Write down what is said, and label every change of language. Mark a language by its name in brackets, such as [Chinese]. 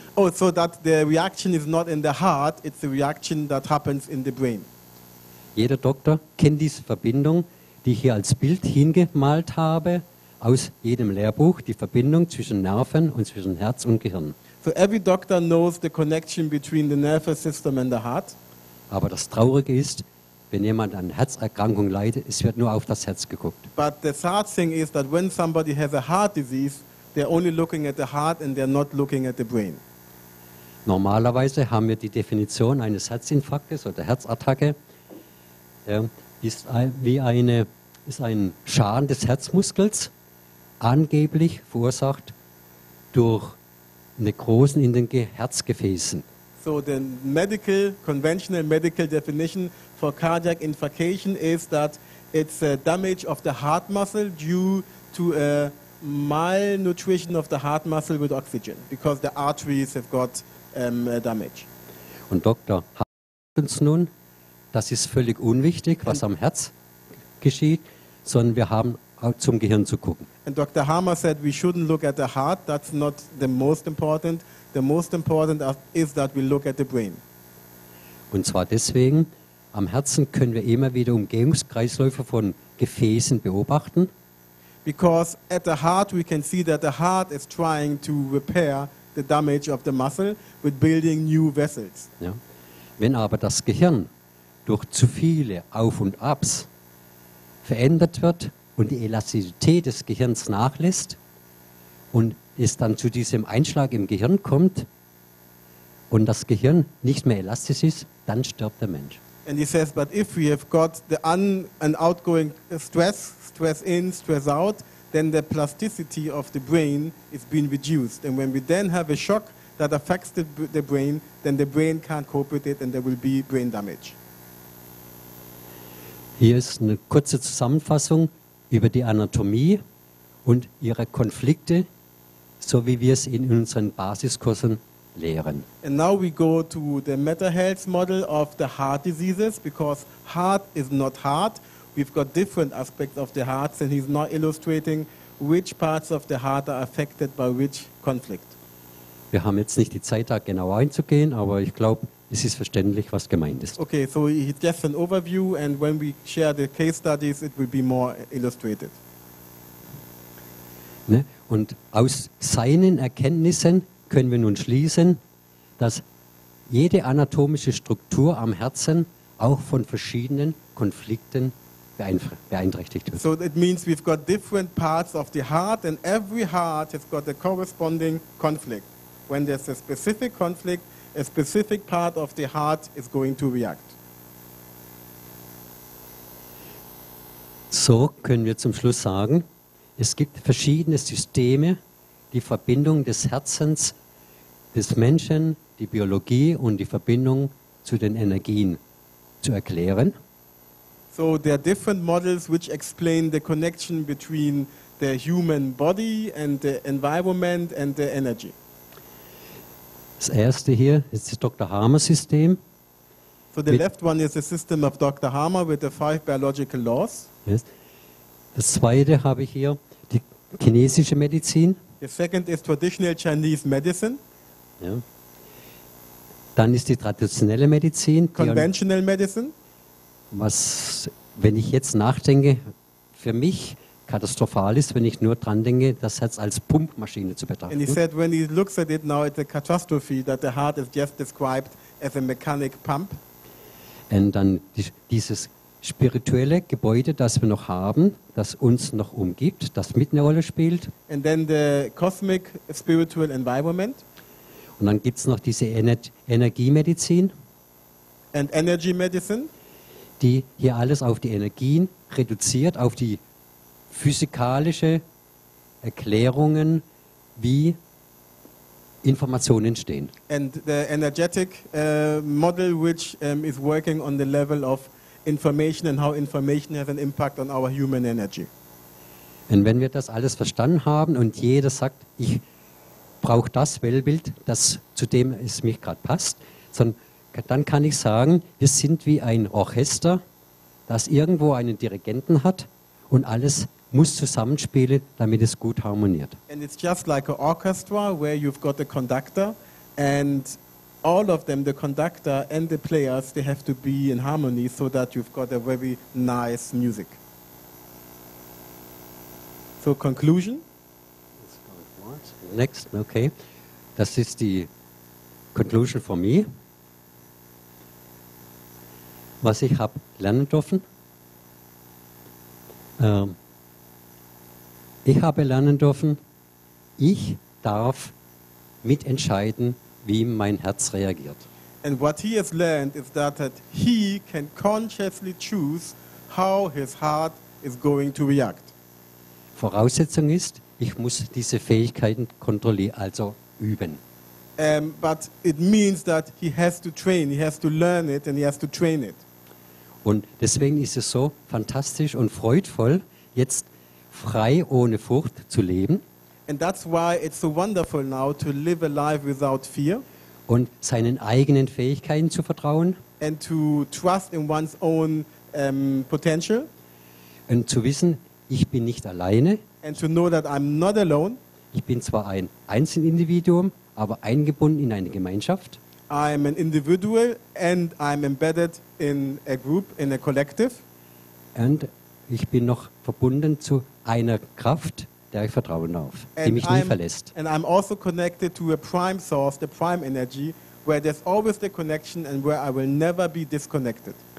[English] Oh, so that the reaction is not in the heart, it's the reaction that happens in the brain. [German] Jeder Doktor kennt diese Verbindung, die ich hier als Bild hingemalt habe, aus jedem Lehrbuch, die Verbindung zwischen Nerven und zwischen Herz und Gehirn. [English] So every doctor knows the connection between the nervous system and the heart. [German] Aber das Traurige ist, wenn jemand an Herzerkrankung leidet, es wird nur auf das Herz geguckt. [English] But the sad thing is that when somebody has a heart disease, they're only looking at the heart and they're not looking at the brain. [German] Normalerweise haben wir die Definition eines Herzinfarktes oder Herzattacke, ist ein Schaden des Herzmuskels, angeblich verursacht durch Nekrosen in den Herzgefäßen. [English] So the medical, conventional medical definition for cardiac infarction is that it's a damage of the heart muscle due to a malnutrition of the heart muscle with oxygen, because the arteries have got damage. [German] Und Dr. Harmer uns nun, das ist völlig unwichtig, was am Herz geschieht, sondern wir haben zum Gehirn zu gucken. [English] And Dr. Hammer said we shouldn't look at the heart, that's not the most important. The most important is that we look at the brain. [German] Und zwar deswegen, am Herzen können wir immer wieder Umgebungskreisläufe von Gefäßen beobachten. [English] Because at the heart we can see that the heart is trying to repair the damage of the muscle with building new vessels. [German] Ja. Wenn aber das Gehirn durch zu viele Auf- und Abs verändert wird und die Elastizität des Gehirns nachlässt und es dann zu diesem Einschlag im Gehirn kommt und das Gehirn nicht mehr elastisch ist, dann stirbt der Mensch. [English] And he says, but if we have got the outgoing stress in, stress out, then the plasticity of the brain is being reduced. And when we then have a shock that affects the brain, then the brain can't cope with it and there will be brain damage. [German] Hier ist eine kurze Zusammenfassung über die Anatomie und ihre Konflikte, so wie wir es in unseren Basiskursen lehren. [English] And now we go to the MetaHealth model of the heart diseases, because heart is not heart. We've got different aspects of the heart, and he's now illustrating which parts of the heart are affected by which conflict. [German] Wir haben jetzt nicht die Zeit, da genau einzugehen, aber ich glaube, es ist verständlich, was gemeint ist. [English] Okay, so it's just an overview, and when we share the case studies, it will be more illustrated. [German] Ne? Und aus seinen Erkenntnissen können wir nun schließen, dass jede anatomische Struktur am Herzen auch von verschiedenen Konflikten beeinträchtigt wird. [English] So it means we've got different parts of the heart, and every heart has got a corresponding conflict. When there's a specific conflict, a specific part of the heart is going to react. [German] So können wir zum Schluss sagen, es gibt verschiedene Systeme, die Verbindung des Herzens, des Menschen, die Biologie und die Verbindung zu den Energien zu erklären. [English] So there are different models which explain the connection between the human body and the environment and the energy. [German] Das erste hier ist das Dr. Harmer System. [English] So the left one is the system of Dr. Harmer with the five biological laws. Yes. [German] Das zweite habe ich hier, die chinesische Medizin. [English] The second is traditional Chinese medicine. [German] Ja. Dann ist die traditionelle Medizin. [English] Conventional medicine. [German] Was, wenn ich jetzt nachdenke, für mich katastrophal ist, wenn ich nur dran denke, das Herz als Pumpmaschine zu betrachten. [English] And he said, when he looks at it now, it's a catastrophe that the heart is just described as a mechanic pump. [German] Und dann dieses spirituelle Gebäude, das wir noch haben, das uns noch umgibt, das mit einer Rolle spielt. [English] And then the cosmic spiritual environment. [German] Und dann gibt's noch diese Energiemedizin. [English] And energy medicine. [German] Die hier alles auf die Energien reduziert, auf die physikalische Erklärungen, wie Informationen entstehen. [English] And the energetic model which is working on the level of information and how information has an impact on our human energy. [German] Und wenn wir das alles verstanden haben und jeder sagt, ich brauche das Weltbild, das zu dem es mich gerade passt, dann kann ich sagen, wir sind wie ein Orchester, das irgendwo einen Dirigenten hat und alles muss zusammenspielen, damit es gut harmoniert. [English] And it's just like an orchestra where you've got a conductor and all of them, the conductor and the players, they have to be in harmony so that you've got a very nice music. So conclusion. Next, okay. [German] Das ist die [English] conclusion for me. [German] Was ich habe lernen dürfen. Ich habe lernen dürfen, ich darf mitentscheiden, wie mein Herz reagiert. [English] And what he has learned is that he can consciously choose how his heart is going to react. [German] Voraussetzung ist, ich muss diese Fähigkeiten kontrollieren, also üben. [English] But it means that he has to train, he has to learn it and he has to train it. [German] Und deswegen ist es so fantastisch und freudvoll, jetzt frei ohne Furcht zu leben. [English] And that's why it's so wonderful now to live a life without fear. [German] Und seinen eigenen Fähigkeiten zu vertrauen. [English] And to trust in one's own potential. [German] Und zu wissen, ich bin nicht alleine. [English] And to know that I'm not alone. [German] Ich bin zwar ein Einzelindividuum, aber eingebunden in eine Gemeinschaft. [English] I'm an individual and I'm embedded in a group, in a collective. [German] And ich bin noch verbunden zu einer Kraft, der ich vertrauen darf, and die mich nie verlässt. [English] And I'm also connected to a prime source, the prime energy, where there's always the connection and where I will never be disconnected.